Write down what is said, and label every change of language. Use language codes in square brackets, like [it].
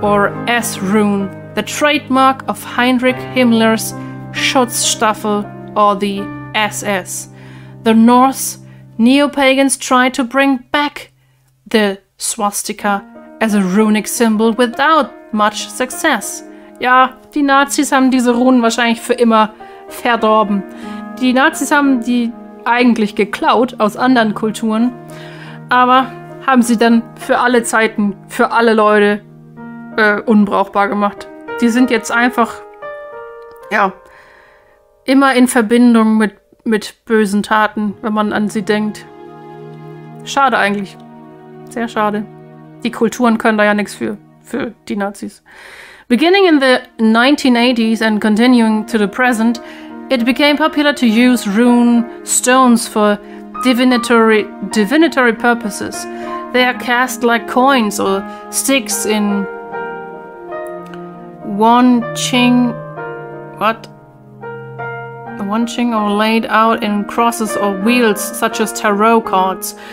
[en] or S-Rune, the trademark of Heinrich Himmler's Schutzstaffel or the SS. The Norse neo-pagans tried to bring back the swastika as a runic symbol without much success. [de] Ja, die Nazis haben diese Runen wahrscheinlich für immer verdorben. Die Nazis haben die eigentlich geklaut aus anderen Kulturen, aber haben sie dann für alle Zeiten, für alle Leute unbrauchbar gemacht. Die sind jetzt einfach, ja, immer in Verbindung mit bösen Taten, wenn man an sie denkt. Schade eigentlich. Sehr schade. Die Kulturen können da ja nichts für die Nazis. [en] Beginning in the 1980s and continuing to the present, it became popular to use rune stones for divinatory purposes. They are cast like coins or sticks in Wanching or laid out in crosses or wheels such as tarot cards.